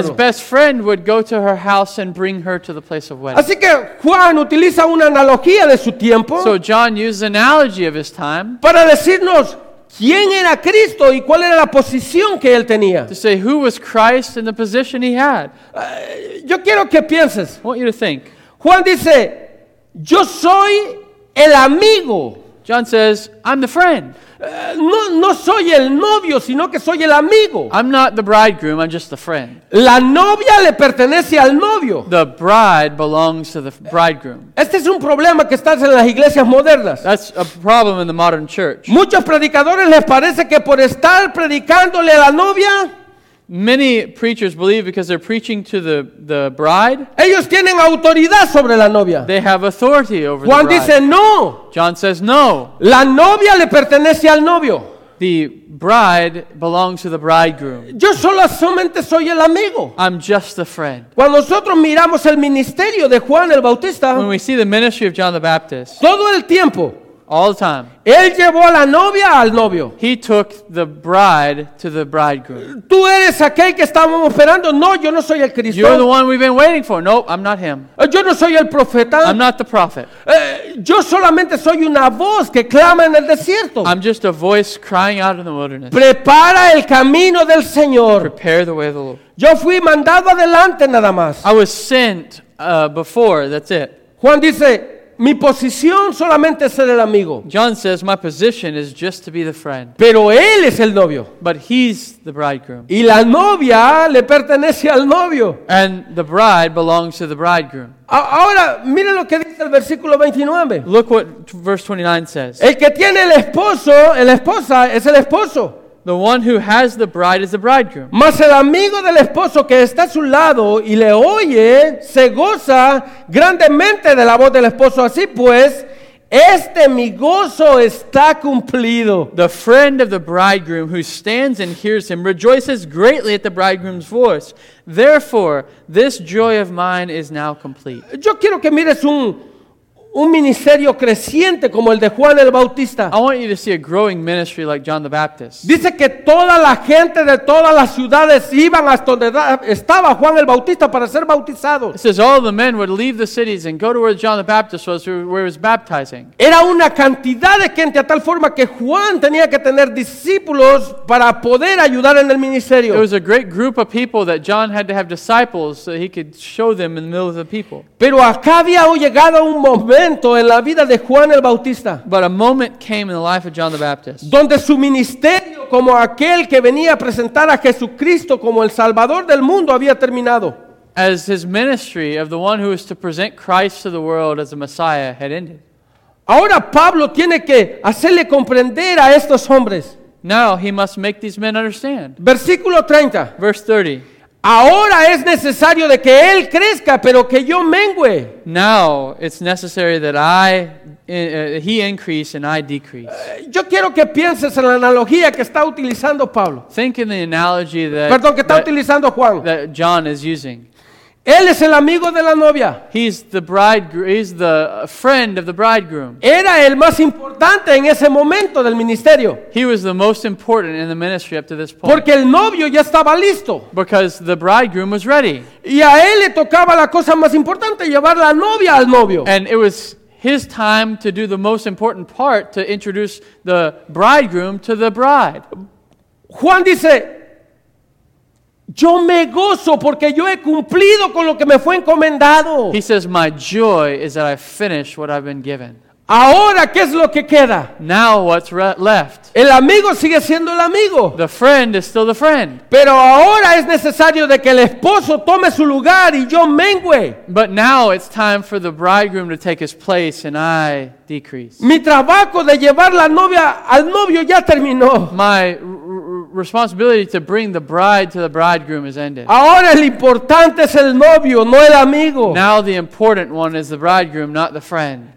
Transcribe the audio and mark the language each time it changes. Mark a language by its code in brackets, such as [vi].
[en] His best friend would go to her house and bring her to the place of wedding. [es] Así que Juan utiliza una analogía de su tiempo. [en] So John used an analogy of his time. [es] Para decirnos quién era Cristo y cuál era la posición que él tenía. [en] To say who was Christ and the position he had. [es] Yo quiero que pienses. [en] I want you to think. [es] Juan dice, yo soy el amigo. [en] John says, I'm the friend. [es] No soy el novio, sino que soy el amigo. [en] I'm not the bridegroom, I'm just the friend. [es] La novia le pertenece al novio. [en] The bride belongs to the bridegroom. [es] Este es un problema que está en las iglesias modernas. [en] That's a problem in the modern church. [es] Muchos predicadores les parece que por estar predicándole a la novia, [en] many preachers believe because they're preaching to the bride. [es] Ellos tienen autoridad sobre la novia. [en] They have authority over [es] Juan [en] the bride. [es] Juan dice no. [en] John says no. [es] La novia le pertenece al novio. [en] The bride belongs to the bridegroom. [es] Yo solamente soy el amigo. [en] I'm just the friend. [es] Cuando nosotros miramos el ministerio de Juan el Bautista, [en] when we see the ministry of John the Baptist, [es] todo el tiempo, [en] all the time, [es] él llevó a la novia al novio. [en] He took the bride to the bridegroom. [es] Tú eres aquel que estábamos esperando. No, yo no soy el Cristo. [en] You're the one we've been waiting for. No, I'm not him. [es] Yo no soy el profeta. [en] I'm not the prophet. [es] Yo solamente soy una voz que clama en el desierto. [en] I'm just a voice crying out in the wilderness. [es] Prepara el camino del Señor. [en] Prepare the way of the Lord. [es] Yo fui mandado adelante nada más. [en] I was sent before. That's it. [es] Juan dice, mi posición solamente es ser el amigo. [en] John says, my position is just to be the friend. [es] Pero él es el novio. [en] But he's the bridegroom. [es] Y la novia le pertenece al novio. [en] And the bride belongs to the bridegroom. [es] Ahora, mire lo que dice el versículo 29. [en] Look what verse 29 says. [es] El que tiene el esposo, la esposa, es el esposo. [en] The one who has the bride is the bridegroom. [es] Mas el amigo del esposo que está a su lado y le oye, se goza grandemente de la voz del esposo. Así pues, este mi gozo está cumplido. [en] The friend of the bridegroom who stands and hears him rejoices greatly at the bridegroom's voice. Therefore, this joy of mine is now complete. [es] Yo quiero que mires un ministerio creciente como el de Juan el Bautista. [en] I want you to see a growing ministry like John the Baptist. [es] Dice que toda la gente de todas las ciudades iban hasta donde estaba Juan el Bautista para ser bautizado. [en] It says all the men would leave the cities and go to where John the Baptist was, where he was baptizing. [es] Era una cantidad de gente a tal forma que Juan tenía que tener discípulos para poder ayudar en el ministerio. [en] It was a great group of people that John had to have disciples so he could show them in the middle of the people. [es] Pero acá había llegado un momento en la vida de Juan el Bautista, [en] but a moment came in the life of John the Baptist, [es] donde su ministerio como aquel que venía a presentar a Jesucristo como el Salvador del mundo había terminado. [en] As his ministry of the one who was to present Christ to the world as the Messiah had ended. [es] Ahora Pablo tiene que hacerle comprender a estos hombres. [en] Now he must make these men understand. [es] Versículo 30. [en] Verse 30. [es] Ahora es necesario de que él crezca, pero que yo mengüe. [en] Now it's necessary that he increase and I decrease. [es] Yo quiero que pienses en la analogía que está utilizando Pablo. [en] Think in the analogy that, [es] perdón, que está utilizando Juan. [en] That John is using. [es] Él es el amigo de la novia. [en] He's the friend of the bridegroom. [es] Era el más importante en ese momento del ministerio. [en] He was the most important in the ministry up to this point. [es] Porque el novio ya estaba listo. [en] Because the bridegroom was ready. [es] Y a él le tocaba la cosa más importante, llevar la novia al novio. [en] And it was his time to do the most important part, to introduce the bridegroom to the bride. [es] Juan dice, yo me gozo porque yo he cumplido con lo que me fue encomendado. [en] He says, my joy is that I finished what I've been given. [es] Ahora, ¿qué es lo que queda? [en] Now, what's left? [es] El amigo sigue siendo el amigo. [en] The friend is still the friend. [es] Pero ahora es necesario de que el esposo tome su lugar y yo mengüe. [en] But now it's time for the bridegroom to take his place and I decrease. [es] Mi trabajo de llevar la novia al novio ya terminó. [en] My responsibility to bring the bride to the bridegroom is ended. [es] Ahora el importante es el novio, no el amigo. [en] Now the important one is the bridegroom, not the friend.